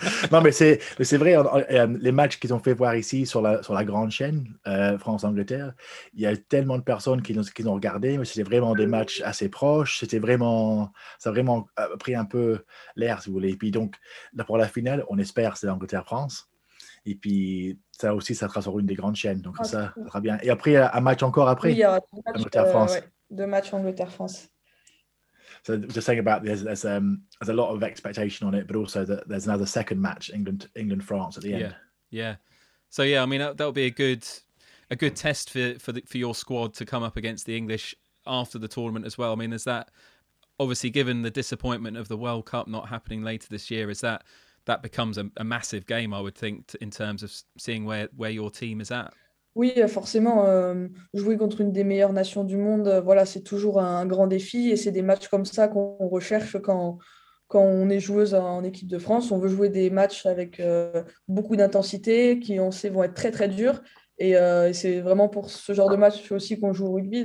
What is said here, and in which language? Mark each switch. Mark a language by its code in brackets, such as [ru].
[fr] Non, mais c'est vrai, les matchs qu'ils ont fait voir ici sur la grande chaîne, France-Angleterre, il y a tellement de personnes qui ont regardé, mais c'était vraiment des matchs assez proches, ça a vraiment pris un peu l'air, si vous voulez. Et puis donc, là, pour la finale, on espère que c'est Angleterre-France. Et puis, ça aussi, ça sera sur une des grandes chaînes, donc ça sera bien. Et après, un match encore après, oui, il y aura deux matchs Angleterre-France. [en] So just saying about there's a lot of expectation on it, but also that there's another second match, England France at the end. Yeah. I mean that'll be a good test for your squad to come up against the English after the tournament as well. I mean, is that obviously given the disappointment of the World Cup not happening later this year, is that that becomes a massive game, I would think, in terms of seeing where your team is at. [fr] Oui, forcément, jouer contre une des meilleures nations du monde, voilà, c'est toujours un grand défi et c'est des matchs comme ça qu'on recherche quand on est joueuse en équipe de France. On veut jouer des matchs avec beaucoup d'intensité qui, on sait, vont être très, très durs. Et c'est vraiment pour ce genre de match aussi qu'on joue au rugby.